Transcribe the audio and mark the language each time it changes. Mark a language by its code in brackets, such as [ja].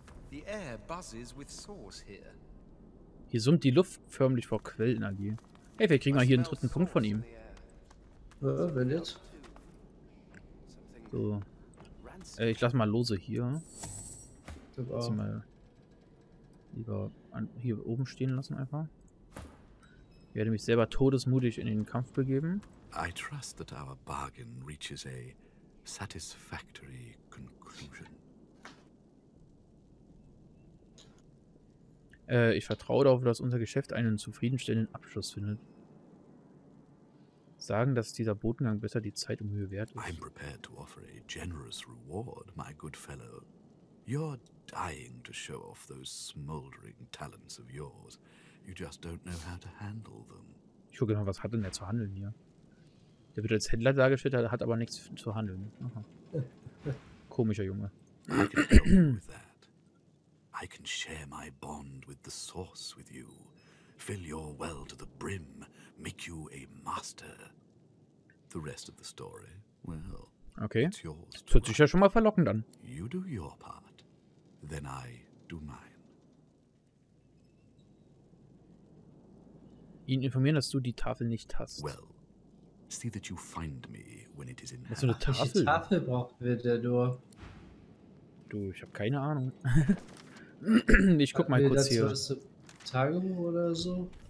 [en] The air buzzes with source here. [de] Hier summt die Luft förmlich vor Quellenergie. Hey, vielleicht kriegen wir hier einen dritten Punkt von ihm. Wenn jetzt? So. Ich lasse mal lose hier. Lass mal lieber hier oben stehen lassen einfach. Ich werde mich selber todesmutig in den Kampf begeben. [en] I trust that our bargain reaches a satisfactory conclusion. [de] Ich vertraue darauf, dass unser Geschäft einen zufriedenstellenden Abschluss findet. Sagen, dass dieser Botengang besser die Zeit und Mühe wert ist. [en] I'm prepared to offer a generous reward, my good fellow. You're dying to show off those smoldering talents of yours. You just don't know how to handle them. [de] Ich gucke mal, was hat denn der zu handeln hier? Der wird als Händler dargestellt, hat aber nichts zu handeln. Aha. Komischer Junge. [en] I can share my bond with the source with you. Fill your well to the brim, make you a master. The rest of the story, well, okay. It's yours. [de] Das hört sich ja schon mal verlockend an. [en] You do your part, then I do mine. [de] Ihn informieren, dass du die Tafel nicht hast. [en] Well, see that you find me when it is in [de] hand. Was für eine Tafel? Welche Tafel brauchen wir denn nur? Du, ich hab keine Ahnung. Ich guck mal kurz hier. Tagebuch oder so?